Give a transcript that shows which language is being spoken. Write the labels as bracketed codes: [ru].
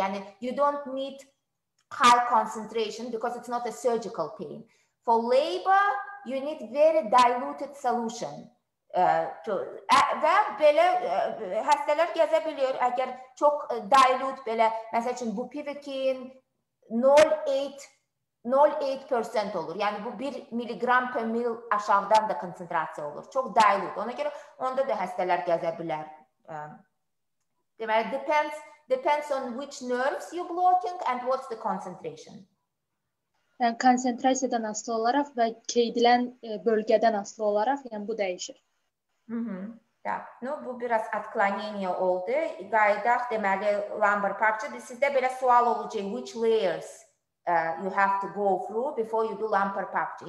[az] Yəni, [en] you don't need high concentration because it's not a surgical pain. For labor, you need very diluted solution. [az] Və belə xəstələr gəzə bilir, əgər çox dilute belə, məsəl üçün bu bupivacaine 0.8% olur. Yəni bu 1 miligram per mil aşağıdan da konsentrasiya olur. Çox dilute. Ona görə onda da xəstələr gəzə bilər. Deməli, [en] depends on which nerves you're blocking and what's the concentration. [az] Yəni konsentrasiyadan asılı olaraq və keydilən bölgədən asılı olaraq, yəni bu dəyişir. Da. No, bu biraz atklaneniya oldu. Qayıdaq, deməli, lumbar puncture. Biz sizdə belə sual olacaq, [en] which layers you have to go through before you do lumbar puncture.